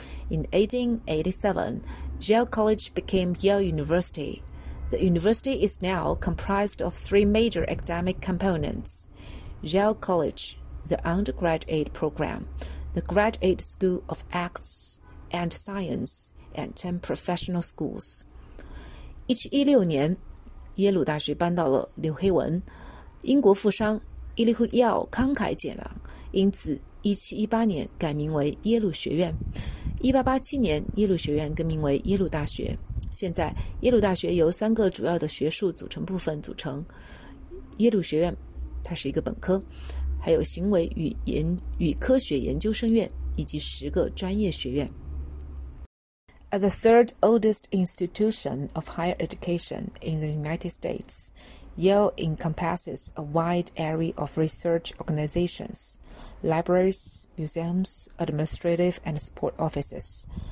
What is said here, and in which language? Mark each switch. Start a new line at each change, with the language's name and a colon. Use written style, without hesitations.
English: In 1887, Yale College became Yale University. The university is now comprised of three major academic components. Yale College, the undergraduate program, the Graduate School of Arts,and science and 10 professional schools.
Chinese: 1716年，耶鲁大学搬到了纽黑文，英国富商伊利胡耀慷慨解囊，因此1718年改名为耶鲁学院。 1887年，耶鲁学院更名为耶鲁大学。现在，耶鲁大学由三个主要的学术组成部分组成。耶鲁学院，它是一个本科，还有行为与科学研究生院，以及十个专业学院。
English: As the third oldest institution of higher education in the United States, Yale encompasses a wide array of research organizations, libraries, museums, administrative and support offices.